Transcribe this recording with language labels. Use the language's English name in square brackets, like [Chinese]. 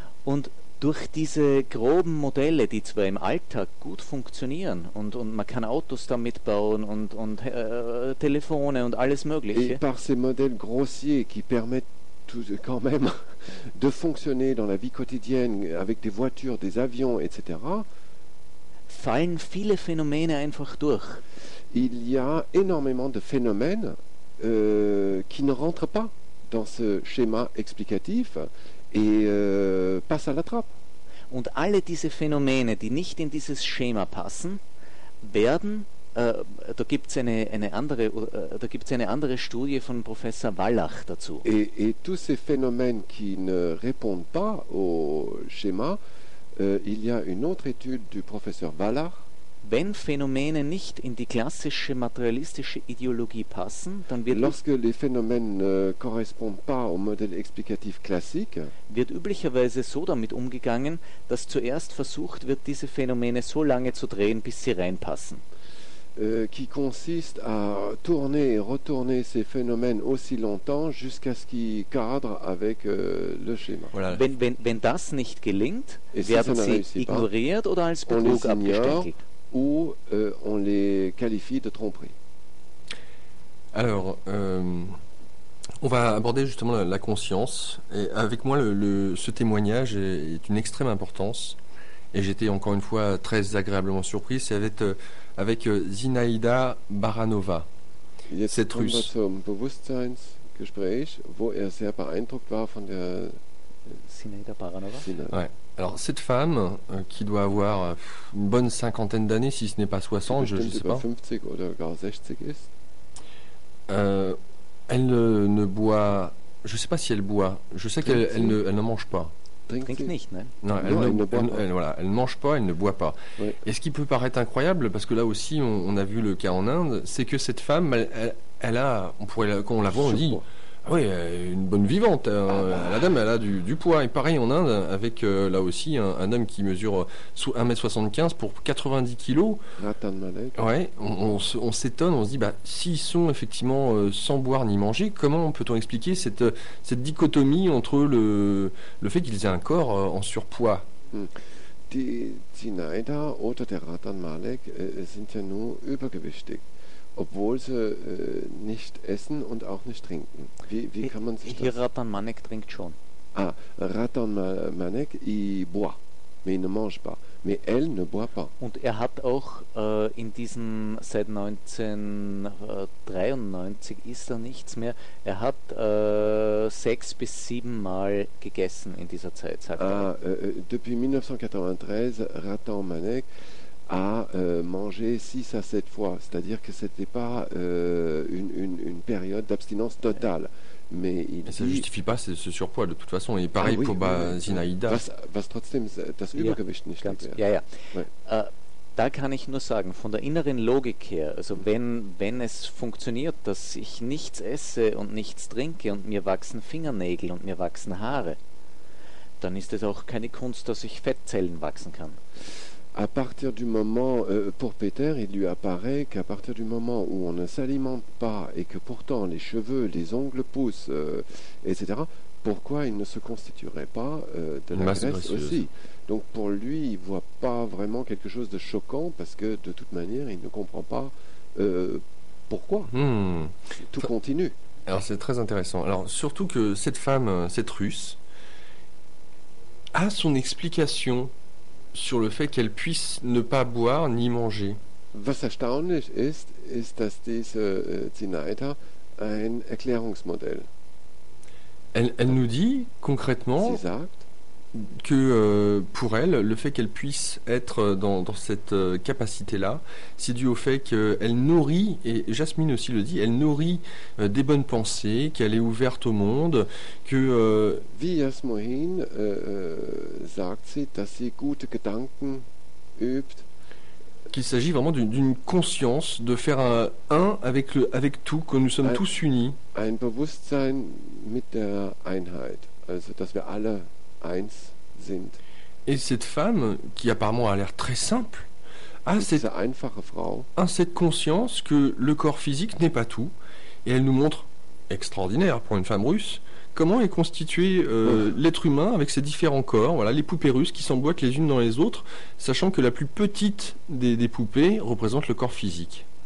[German] Und durch diese groben Modelle, die zwar im Alltag gut funktionieren und man kann Autos damit bauen und Telefone und alles Mögliche. [French] Et par ces modèles grossiers qui permettent tout, quand même de fonctionner dans la vie quotidienne avec des voitures, des avions, etc. [German] Fallen viele Phänomene einfach durch. [French] Il y a énormément de phénomènes qui ne rentrent pas dans ce schéma explicatif et passe à la trappe. [German] Und alle diese Phänomene, die nicht in dieses Schema passen, werden da gibt's eine andere Studie von Professor Wallach dazu. [French] Et tous ces phénomènes qui ne répondent pas au schéma, il y a une autre étude du professeur Wallach. [German] Wenn Phänomene nicht in die klassische materialistische Ideologie passen, dann wird [French] lorsque les phénomènes ne correspondent pas au modèle explicatif classique, [German] wird üblicherweise so damit umgegangen, dass zuerst versucht wird, diese Phänomene so lange zu drehen, bis sie reinpassen. [French] Qui consiste à tourner et retourner ces phénomènes aussi longtemps jusqu'à ce qu'ils cadrent avec le schéma. Voilà. [German] Wenn das nicht gelingt, et werden si sie ignoriert oder als Betrug abgestempelt. [French] Ou on les qualifie de tromperie. Alors, on va aborder justement la conscience. Et avec moi, ce témoignage est d'une extrême importance. Et j'étais encore une fois très agréablement surpris. C'est avec Zinaïda Baranova, [German] jetzt [French] cette Russe. [German] Jetzt kommen wir zum Bewusstseinsgespräch, wo sehr beeindruckt war von der Zinaïda Baranova. [French] Ouais. Alors cette femme qui doit avoir une bonne cinquantaine d'années, si ce n'est pas 60, je ne sais pas. [German] 50 oder gar 60 ist. [French] Elle ne boit, je ne sais pas si elle boit. Je sais qu'elle ne mange pas. Elle ne mange pas, elle ne boit pas. Oui. Et ce qui peut paraître incroyable, parce que là aussi on a vu le cas en Inde, c'est que cette femme, elle a, on pourrait, quand on la voit, on dit. Oui, une bonne vivante. La dame, elle a du poids. Et pareil en Inde, avec là aussi un homme qui mesure 1m75 pour 90 kilos. Ratan Malek. Ouais, on s'étonne, on se dit, s'ils sont effectivement sans boire ni manger, comment peut-on expliquer cette dichotomie entre le fait qu'ils aient un corps en surpoids. [German] Die Zinaida oder der Ratan Malek sind ja nur übergewichtig. Obwohl sie nicht essen und auch nicht trinken. Wie kann man sich hier das... Hier Ratan Manek trinkt schon. [French] Ah, Ratan Manek, il boit, mais il ne mange pas. Mais elle ne boit pas. [German] Und er hat auch in diesem, seit 1993 isst er nichts mehr, er hat 6 bis 7 Mal gegessen in dieser Zeit, sagt er. [French] Ah, depuis 1993, Ratan Manek... a manger 6 à 7 fois, c'est-à-dire que c'était pas une période d'abstinence totale. Mais ça ne justifie pas ce surpoids de toute façon, et pareil pour Zinaïda. [German] Was trotzdem das Übergewicht nicht ganz erklärt. Ja. Da kann ich nur sagen, von der inneren Logik her, also wenn es funktioniert, dass ich nichts esse und nichts trinke und mir wachsen Fingernägel und mir wachsen Haare, dann ist es auch keine Kunst, dass ich Fettzellen wachsen kann. [French] à partir du moment, pour Peter, il lui apparaît qu'à partir du moment où on ne s'alimente pas et que pourtant les cheveux, les ongles poussent, etc., pourquoi il ne se constituerait pas de la masse graisse aussi? Donc pour lui, il ne voit pas vraiment quelque chose de choquant parce que de toute manière, il ne comprend pas pourquoi. Tout continue. Alors c'est très intéressant. Alors surtout que cette femme, cette Russe, a son explication sur le fait qu'elle puisse ne pas boire ni manger. [German] Was erstaunlich ist, ist, dass diese Zinaida ein Erklärungsmodell. [French] Elle nous dit concrètement que pour elle, le fait qu'elle puisse être dans cette capacité-là, c'est dû au fait qu'elle nourrit, et Jasmine aussi le dit, elle nourrit des bonnes pensées, qu'elle est ouverte au monde, que... [German] Wie Jasmin sagt sie, dass sie gute Gedanken übt. [French] Qu'il s'agit vraiment d'une conscience, de faire un avec le avec tout, que nous sommes tous unis. [German] Ein Bewusstsein mit der Einheit, also dass wir alle eins sind. [French] Et cette femme, qui apparemment a l'air très simple, a cette [German] einfache Frau, [French] cette conscience que le corps physique n'est pas tout, et elle nous montre, extraordinaire pour une femme russe, comment est constitué l'être humain avec ses différents corps, voilà, les poupées russes qui s'emboîtent les unes dans les autres, sachant que la plus petite des poupées représente le corps physique.